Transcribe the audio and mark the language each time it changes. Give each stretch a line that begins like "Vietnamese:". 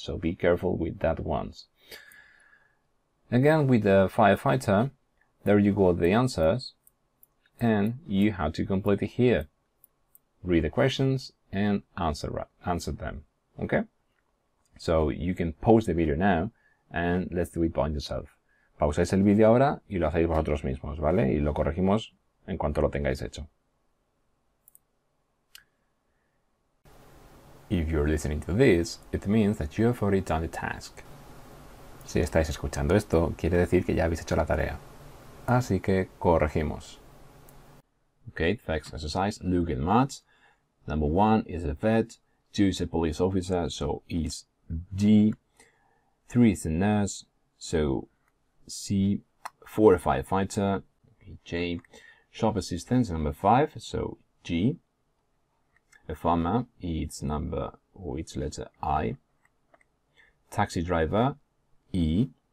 English: So be careful with that ones. Again with the firefighter, there you got the answers. And you have to complete it here. Read the questions and answer them, okay? So you can pause the video now and let's do it by yourself.
Spanish: Pausáis el vídeo ahora y lo hacéis vosotros mismos, ¿vale? Y lo corregimos en cuanto lo tengáis hecho.
English: If you're listening to this, it means that you have already done the task.
Spanish: Si estáis escuchando esto, quiere decir que ya habéis hecho la tarea. Así que corregimos.
English: Okay, next exercise, look and match. Number 1 is a vet, 2 is a police officer, so is D, 3 is a nurse, so C, 4 a firefighter, J, shop assistant, number 5, so G, a farmer, it's letter I, taxi driver, E,